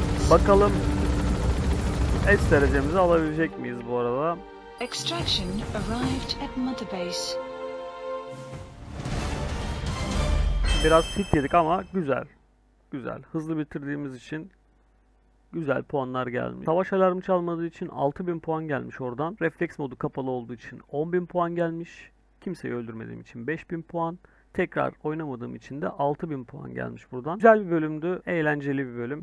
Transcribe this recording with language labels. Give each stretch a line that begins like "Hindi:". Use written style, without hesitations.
Turkish: Bakalım S derecemizi alabilecek miyiz bu arada?
English: Extraction arrived at mother base.
Turkish: Biraz hit yedik ama güzel. Güzel. Hızlı bitirdiğimiz için güzel puanlar gelmiş. Savaş alarmı çalmadığı için 6000 puan gelmiş oradan. Refleks modu kapalı olduğu için 10000 puan gelmiş. Kimseyi öldürmediğim için 5000 puan. Tekrar oynamadığım için de 6000 puan gelmiş buradan. Güzel bir bölümdü. Eğlenceli bir bölüm.